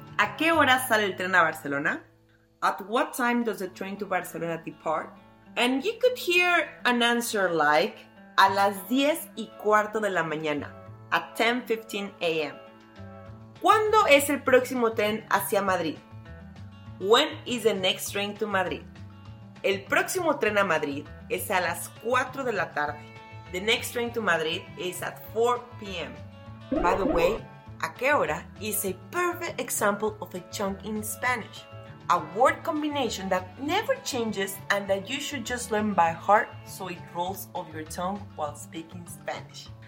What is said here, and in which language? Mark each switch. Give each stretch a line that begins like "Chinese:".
Spanish: ¿A qué hora sale el tren a Barcelona?
English: At what time does the train to Barcelona depart? And you could hear an answer like,
Spanish: a las 10 y cuarto de la mañana,
English: at 10:15 a.m.
Spanish: ¿Cuándo es el próximo tren hacia Madrid?
English: When is the next train to Madrid?
Spanish: El próximo tren a Madrid es a las 4 de la tarde.
English: The next train to Madrid is at 4 p.m. By the way,
Spanish: ¿a qué hora?
English: Is a perfect example of a chunk in Spanish. A word combination that never changes and that you should just learn by heart so it rolls off your tongue while speaking Spanish.